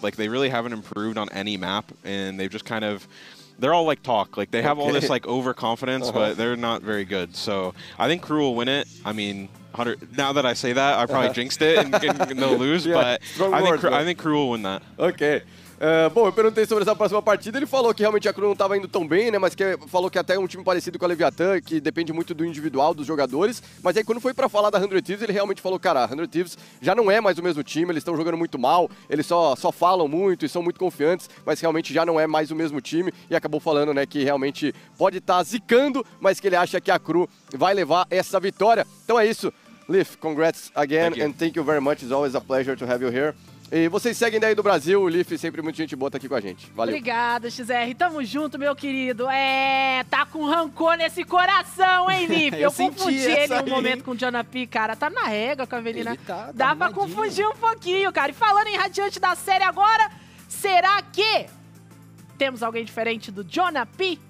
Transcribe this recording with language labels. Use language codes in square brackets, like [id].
[en] Like, they really haven't improved on any map, and they've just kind of, they're all like talk. Like, they have all this like overconfidence, but they're not very good. So I think Crew will win it. I mean, 100, now that I say that, I probably jinxed it and they'll lose, yeah, but I think Crew will win that. Okay. [pt] Bom, eu perguntei sobre essa próxima partida, ele falou que realmente a Crew não estava indo tão bem, né, mas que falou que até é um time parecido com a Leviathan, que depende muito do individual, dos jogadores, mas aí quando foi para falar da 100 Thieves, ele realmente falou, cara, a 100 Thieves já não é mais o mesmo time, eles estão jogando muito mal, eles só falam muito e são muito confiantes, mas realmente já não é mais o mesmo time, e acabou falando, né, que realmente pode estar zicando, mas que ele acha que a Crew vai levar essa vitória. Então é isso, [en] Leaf, congrats again, and thank you very much, it's always a pleasure to have you here. [pt] E vocês seguem daí do Brasil, o Leaf sempre muito gente boa tá aqui com a gente. Valeu. Obrigada, XR. Tamo junto, meu querido. É, tá com rancor nesse coração, hein, Leaf? Eu confundi ele um momento com o Jonah P, cara. Tá na régua com a Avelina. Dá pra confundir um pouquinho, cara. E falando em Radiante da série agora, será que temos alguém diferente do Jonah P?